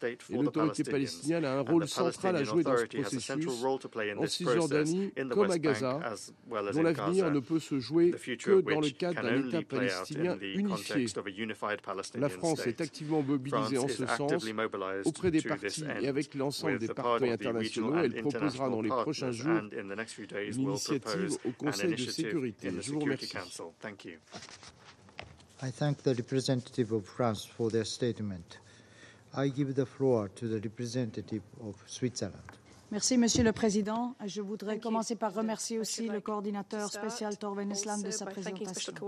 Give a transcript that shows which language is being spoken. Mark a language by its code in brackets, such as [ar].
[fr] Et l'autorité palestinienne a un rôle central à jouer dans ce processus en Cisjordanie, comme à Gaza, dont l'avenir ne peut se jouer que dans le cadre d'un État palestinien unifié. La France est activement mobilisée en ce sens auprès des partis et avec l'ensemble des partenaires internationaux. Elle proposera dans les prochains jours une initiative au Conseil de sécurité. Je vous remercie. [en] I thank the representative of France for their statement. I give the floor to the representative of Switzerland. [fr] Merci, Monsieur le Président. Je voudrais commencer par remercier aussi le coordinateur spécial Tor Wennesland de sa présentation.